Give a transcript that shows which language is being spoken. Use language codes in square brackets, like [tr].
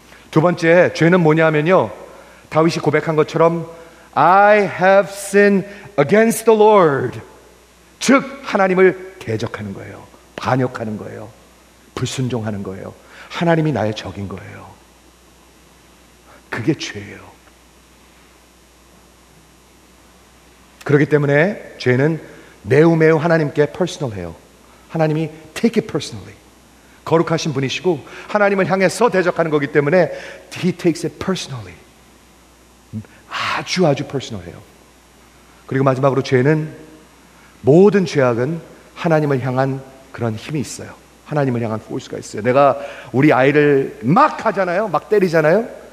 [ko] 두 번째 죄는 뭐냐면요, 다윗이 고백한 것처럼 [en] I have sinned against the Lord, [ko] 즉 하나님을 대적하는 거예요. 반역하는 거예요. 불순종하는 거예요. 하나님이 나의 적인 거예요. 그게 죄예요. 그렇기 때문에 죄는 매우 매우 하나님께 personal해요. 하나님이 [en] take it personally. [ko] 거룩하신 분이시고 하나님을 향해서 대적하는 거기 때문에 [en] He takes it personally. [ko] 아주 아주 personal해요. 그리고 마지막으로 죄는, 모든 죄악은 하나님을 향한 그런 힘이 있어요. 하나님을 향한 포스가 있어요. 내가 우리 아이를 막 하잖아요. 막 때리잖아요.